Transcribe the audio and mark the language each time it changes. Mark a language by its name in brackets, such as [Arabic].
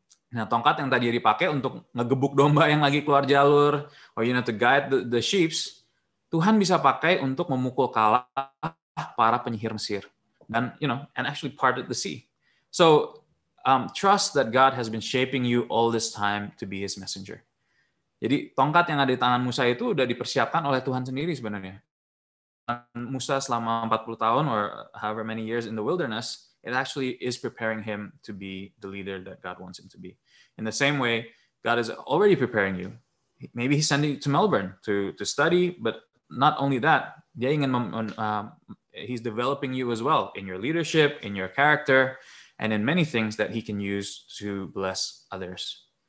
[Indonesian] Nah, tongkat yang tadinya dipakai untuk ngegebuk domba yang lagi keluar jalur, [English] or to guide the sheep, [Indonesian] Tuhan bisa pakai untuk memukul kalah para penyihir Mesir, dan [English] and actually parted the sea. So trust that God has been shaping you all this time to be His messenger. [Indonesian] Jadi tongkat yang ada di tangan Musa itu udah dipersiapkan oleh Tuhan sendiri sebenarnya. Musa selama 40 tahun [English] or however many years in the wilderness, it actually is preparing him to be the leader that God wants him to be. In the same way, God is already preparing you. Maybe He's sending you to Melbourne to study, but not only that, [Indonesian] dia ingin [English] He's developing you as well in your leadership, in your character, and in many things that He can use to bless others.